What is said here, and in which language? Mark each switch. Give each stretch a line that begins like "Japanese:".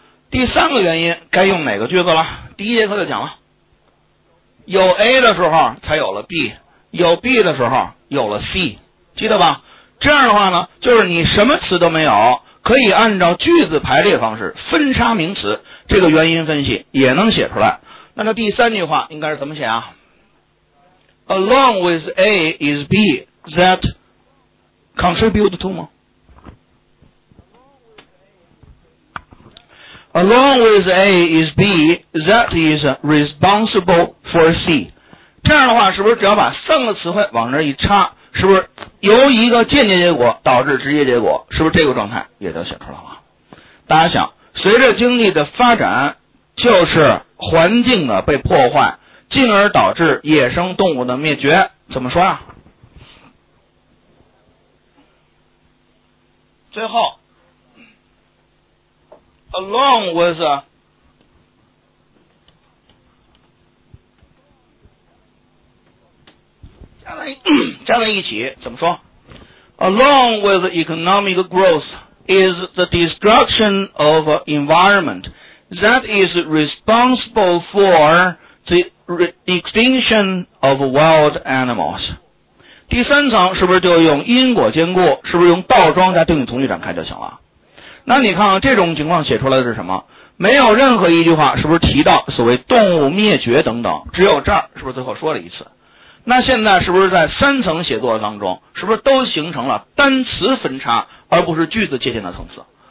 Chinese: 第三个原因该用哪个句子了？第一节课就讲了，有 A 的时候才有了 B， 有 B 的时候有了 C， 记得吧？这样的话呢，就是你什么词都没有，可以按照句子排列方式分叉名词，这个原因分析也能写出来。那这第三句话应该是怎么写啊？
English: Along with A is B that contribute to 吗？ Along with A is B that is responsible for C。
Chinese: 这样的话是不是只要把三个词汇往这一插，是不是由一个间接结果导致直接结果，是不是这个状态也就写出来了？大家想，随着经济的发展，就是环境的被破坏，进而导致野生动物的灭绝，怎么说啊？最后
English: Along with a
Chinese: 加在一起怎么说
English: ？Along with economic growth is the destruction of environment that is responsible for the extinction of wild animals。
Chinese: 第三层是不是就用因果兼顾？是不是用倒装加定语从句展开就行了？那你看这种情况写出来的是什么？没有任何一句话是不是提到所谓动物灭绝等等，只有这儿是不是最后说了一次。那现在是不是在三层写作当中，是不是都形成了单词分叉而不是句子界限的层次？